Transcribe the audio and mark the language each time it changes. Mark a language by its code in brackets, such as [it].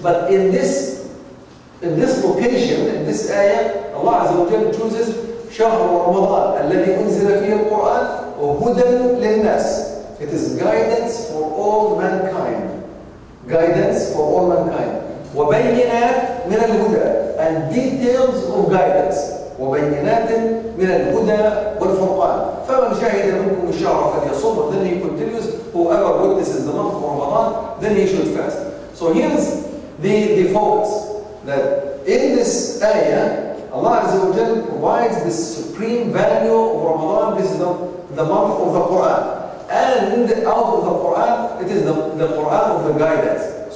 [en] But in this location, in this ayah, Allah Azza wa Jalla chooses [ar] شهر رمضان الذي أنزل فيه القرآن وهدى للناس. [en] It is guidance for all mankind. Guidance for all mankind. [ar] وبينات من الهدى. [en] And details of guidance. [ar] وبينات من الهدى والفرقان. فمن شهد منكم الشهر فليصوم. [en] Then he continues, whoever witnesses the month of Ramadan, then he should fast. So here's the focus. That in this ayah, Allah Azza wa Jalla provides the supreme value of Ramadan. This is the month of the Quran. And out of the Quran, it is the Quran of the guidance.